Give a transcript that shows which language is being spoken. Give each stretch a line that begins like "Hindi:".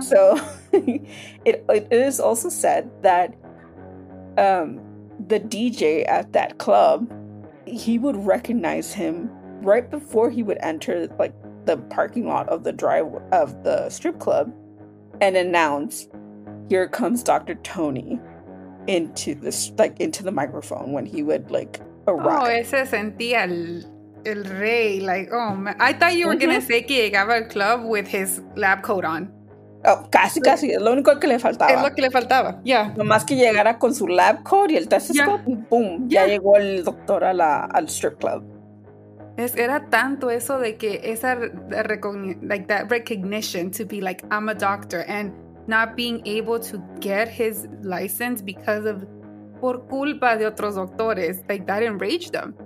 English: So, it is also said that the DJ at that club, he would recognize him right before he would enter, like, the parking lot of the drive of the strip club and announce, "Here comes Dr. Tony," into the microphone when he would, like, arrive.
Spanish: Oh, ese sentía el rey.
English: Like, oh, man. I thought you were going to say
Spanish: que llegaba al club
English: with his lab coat on.
Spanish: Oh, casi, casi. Es lo único que le faltaba. Es lo que le faltaba.
English: Yeah.
Spanish: Nomás que llegara con su
English: lab coat
Spanish: y el testigo, boom.
English: Yeah.
Spanish: Ya llegó el doctor al strip club. Era tanto eso de que esa
English: recognition to be like, "I'm a doctor," and not being able to get his license because of
Spanish: por culpa de otros doctores.
English: Like, that enraged them.